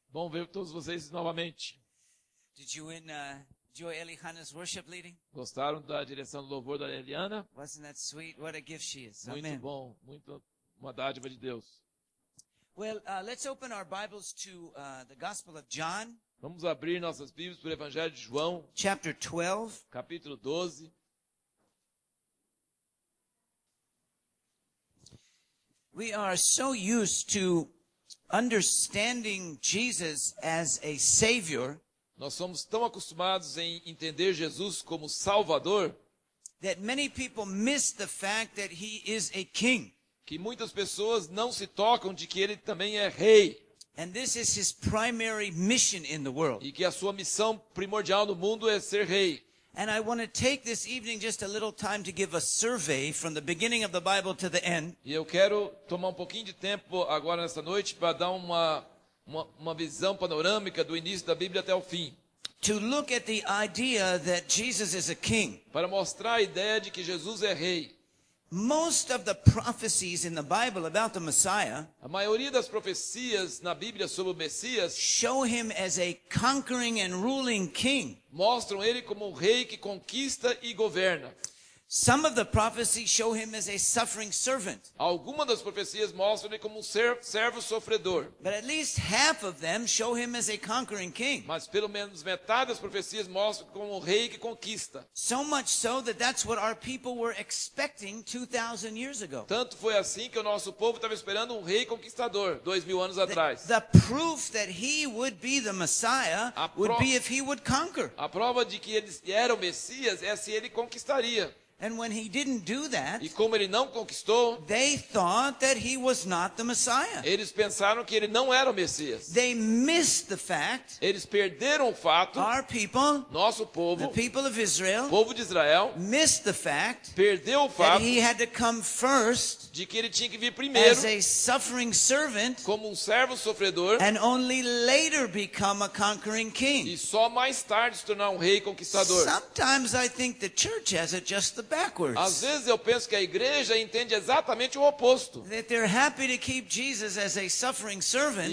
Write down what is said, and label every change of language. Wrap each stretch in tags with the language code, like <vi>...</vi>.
<pt>Bom ver todos vocês novamente.</pt> <en>Did you enjoy Eliana's worship leading?</en> <pt>Gostaram da direção do louvor da Eliana?</pt> <en>Wasn't that sweet? What a gift she is.</en> <pt>Muito</pt> <en>Amen.</en> <pt>Bom, muito uma dádiva de Deus.</pt> <en>Well, let's open our Bibles to the Gospel of John.</en> <pt>Vamos abrir nossas Bíblias para o Evangelho de João.</pt> <en>Chapter 12.</en> <pt>Capítulo 12.</pt> <en>We are so used to understanding Jesus as a savior.</en> <pt>Nós somos tão acostumados em entender Jesus como Salvador.</pt> <en>That many people miss the fact that he is a king.</en> <pt>Que muitas pessoas não se tocam de que ele também é rei.</pt> <en>And this is his primary mission in the world.</en> <pt>E que a sua missão primordial no mundo é ser rei.</pt> <en>And I want to take this evening just a little time to give a survey from the beginning of the Bible to the end.</en> <pt>E eu quero tomar um pouquinho de tempo agora nessa noite para dar uma visão panorâmica do início da Bíblia até o fim.</pt> <en>To look at the idea that Jesus is a king.</en> <pt>Para mostrar a ideia de que Jesus é rei.</pt> <en>Most of the prophecies in the Bible about the Messiah,</en> <pt>a maioria das profecias na Bíblia sobre o Messias,</pt> <en>show him as a conquering and ruling king.</en> <pt>Mostram ele como um rei que conquista e governa.</pt> <en>Some of the prophecies show him as a suffering servant.</en> <pt>Algumas das profecias mostram ele como um servo sofredor.</pt> <en>But at least half of them show him as a conquering king.</en> <pt>Mas pelo menos metade das profecias mostram como um rei que conquista.</pt> <en>So much so that that's what our people were expecting 2000 years ago.</en> <pt>Tanto foi assim que o nosso povo estava esperando um rei conquistador 2000 anos atrás.</pt> <en>The proof that he would be the Messiah would be if he would conquer.</en> <pt>A prova de que ele era o Messias é se ele conquistaria.</pt> <en>And when he didn't do that,</en> <pt>e como ele não conquistou,</pt> <en>they thought that he was not the Messiah.</en> <pt>Eles pensaram que ele não era o Messias.</pt> <en>They missed the fact,</en> <pt>eles perderam o fato,</pt> <en>our people,</en> <pt>nosso povo,</pt> <en>the people of Israel,</en> <pt>o povo de Israel,</pt> <en>missed the fact,</en> <pt>perdeu o fato,</pt> <en>that he had to come first,</en> <pt>de que ele tinha que vir primeiro,</pt> <en>as a suffering servant,</en> <pt>como um servo sofredor,</pt> <en>and only later become a conquering king.</en> <pt>E só mais tarde se tornar um rei conquistador.</pt> <en>Sometimes I think the church has it just the backwards.</en> <pt>Às vezes eu penso que a igreja entende exatamente o oposto.</pt> <en>That they're happy to keep Jesus as a suffering servant.</en>